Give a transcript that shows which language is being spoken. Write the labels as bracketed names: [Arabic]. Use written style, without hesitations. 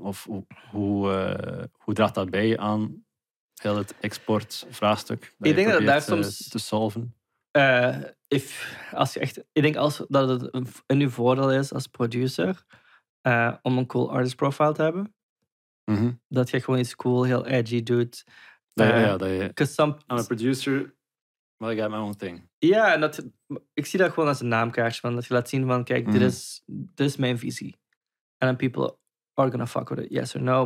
[Dutch] Of hoe draagt dat bij je aan heel het exportvraagstuk? Ik denk dat daar soms te solven. Ik denk als, dat het een uw voordeel is als producer om een cool artist profile te hebben. Mm-hmm. Dat je gewoon iets cool, heel edgy doet. [English] I'm a producer, but I got my own thing. [Dutch] Ja, en dat, ik zie dat gewoon als een naamkaartje. Van, dat je laat zien van, kijk, mm-hmm. dit is mijn visie. [English] And then people are gonna fuck with it, yes or no.